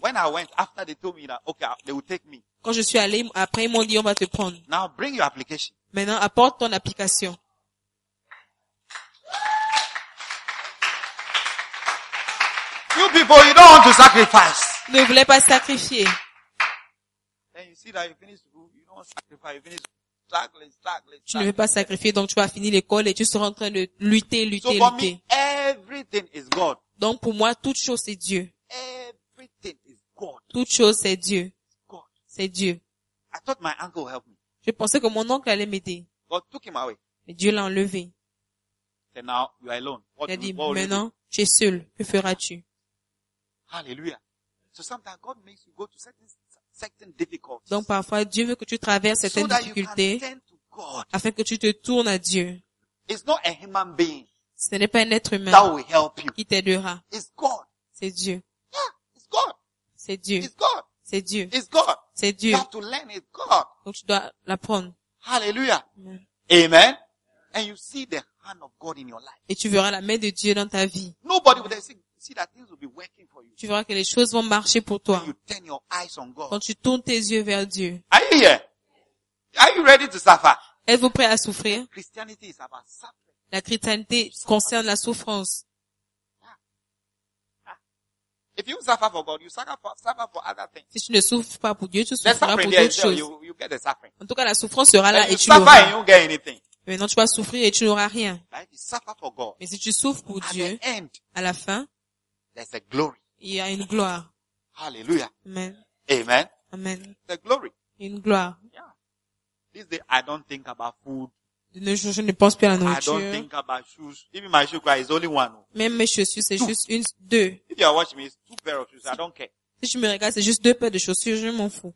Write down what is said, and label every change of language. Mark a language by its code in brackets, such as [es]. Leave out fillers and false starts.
[en] When I went, after they told me that, okay, they will take me. [fr] Quand je suis allé, après ils m'ont dit on va te prendre. [en] Now bring your application. [fr] Maintenant apporte ton application. [en] You people, you don't want to sacrifice. [fr] Ne voulez pas sacrifier. [en] Then you see that you finish school, you don't sacrifice, you finish struggling. [fr] Tu ne veux pas sacrifier, donc tu vas finir l'école et tu seras en train de lutter. [en] So for me, everything is God. [fr] Donc pour moi, toute chose c'est Dieu. [en] Everything is God. [fr] Toute chose c'est Dieu. [en] God. [fr] C'est Dieu. [en] I thought my uncle would help me. [fr] Je pensais que mon oncle allait m'aider. [en] God took him away. [fr] Mais Dieu l'a enlevé. [en] So now you are alone. What [fr] il a dit, [en] what [fr] maintenant, tu es seul. Que feras-tu? Alléluia. [en] So sometimes God makes you go to certain difficulties. [fr] Donc parfois Dieu veut que tu traverses certaines [en] so [fr] difficultés afin que tu te tournes à Dieu. [en] It's not a human being. [fr] Ce n'est pas un être humain [en] that will help you. [fr] Qui t'aidera. [en] It's God. [fr] C'est Dieu. [en] Yeah, it's God. [fr] C'est Dieu. [en] It's God. [fr] C'est Dieu. [en] It's God. [fr] C'est Dieu. [en] You have to learn it's God. [fr] Donc tu dois l'apprendre. [en] Hallelujah. Amen. And you see the hand of God in your life. [fr] Et tu verras la main de Dieu dans ta vie. [en] Nobody would have seen. See that things will be working for you. [fr] Tu verras que les choses vont marcher pour toi. [en] When you turn your eyes on God. [fr] Quand tu tournes tes yeux vers Dieu. [en] Are you here? Are you ready to suffer? [fr] Êtes-vous prêt à souffrir? [en] Christianity is about suffering. [fr] La chrétienté concerne la souffrance. [en] Yeah. If you suffer for God, you suffer for other things. [fr] Si tu ne souffres pas pour Dieu, tu souffriras pour d'autres choses. [en] You get the suffering. [fr] En tout cas, la souffrance sera là et tu l'auras. [en] You suffer and you get anything. [fr] Maintenant, tu vas souffrir et tu n'auras rien. Mais si tu souffres pour Dieu, à la fin, [en] there's a glory. [fr] Il y a une gloire. [en] Hallelujah. Amen. Amen. Amen. The glory. [fr] Une gloire. [en] Yeah. This day, I don't think about food. [fr] De nos jours, je ne pense plus à la nourriture. [en] I don't think about shoes. Even my shoes cry, it's only one. [fr] Même mes chaussures, c'est juste une, deux. [en] If you are watching me, it's two pairs of shoes. I don't care. [fr] Si tu me regardes, c'est juste deux paires de chaussures, je m'en fous.